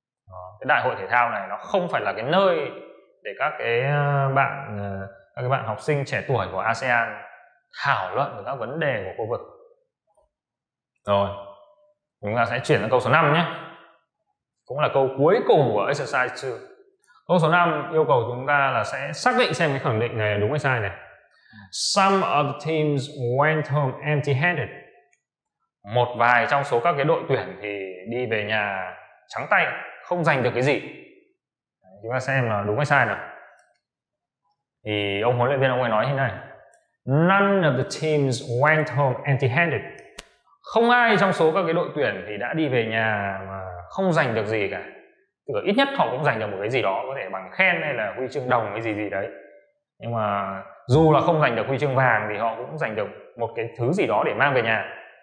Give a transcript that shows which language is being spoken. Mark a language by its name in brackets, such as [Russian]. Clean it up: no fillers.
[Vietnamese] Cái Đại hội Thể thao này nó không phải là cái nơi để các bạn học sinh trẻ tuổi của ASEAN thảo luận về các vấn đề của khu vực. Rồi, chúng ta sẽ chuyển sang câu số 5 nhé. Cũng là câu cuối cùng của exercise 2. Câu số 5 yêu cầu chúng ta là sẽ xác định xem cái khẳng định này đúng hay sai này. [English] Some of the teams went home empty-handed. [Vietnamese] Một vài trong số các cái đội tuyển thì đi về nhà trắng tay, không giành được cái gì. Chúng ta xem là đúng hay sai nào. Thì ông huấn luyện viên ông ấy nói như này: [English] None of the teams went home empty-handed. [Vietnamese] Không ai trong số các cái đội tuyển thì đã đi về nhà mà không giành được gì cả. Tức là ít nhất họ cũng giành được một cái gì đó, có thể bằng khen hay là huy chương đồng hay gì gì đấy. Nhưng mà dù là không giành được huy chương vàng thì họ cũng giành được một cái thứ gì đó để mang về nhà.